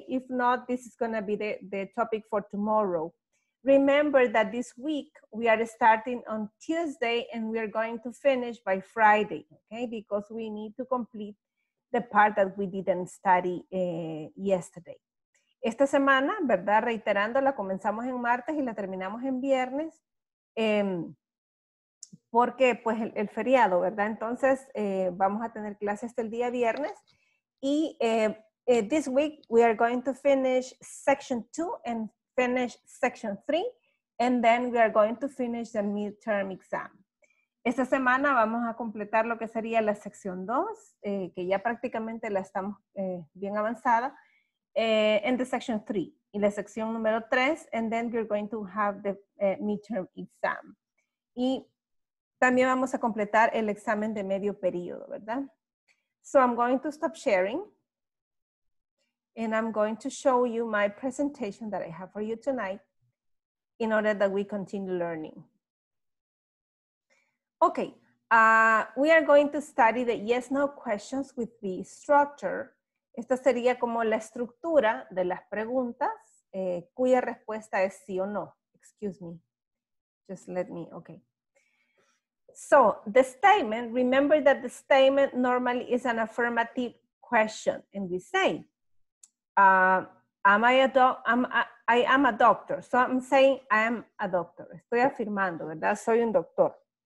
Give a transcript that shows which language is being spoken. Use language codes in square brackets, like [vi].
[en] If not, this is going to be the topic for tomorrow. Remember that this week we are starting on Tuesday and we are going to finish by Friday, okay? Because we need to complete the part that we didn't study yesterday. [es] Esta semana, ¿verdad? Reiterando, la comenzamos en martes y la terminamos en viernes. Porque, pues, el feriado, ¿verdad? Entonces, vamos a tener clases hasta el día viernes. [en] Y this week, we are going to finish section 2 and finish section 3. And then we are going to finish the midterm exam. [es] Esta semana vamos a completar lo que sería la sección 2, que ya prácticamente la estamos bien avanzada, [en] and the section 3. [es] Y la sección número 3. [en] And then we are going to have the midterm exam. [es] Y también vamos a completar el examen de medio periodo, ¿verdad? [en] So I'm going to stop sharing. And I'm going to show you my presentation that I have for you tonight. in order that we continue learning. Okay, we are going to study the yes-no questions with the structure. [es] Esta sería como la estructura de las preguntas cuya respuesta es sí o no. [en] Excuse me. Just let me, okay. So, the statement, remember that the statement normally is an affirmative question. And we say, I am a doctor. So I'm saying I am a doctor. [es] Estoy afirmando, ¿verdad? Soy un doctor.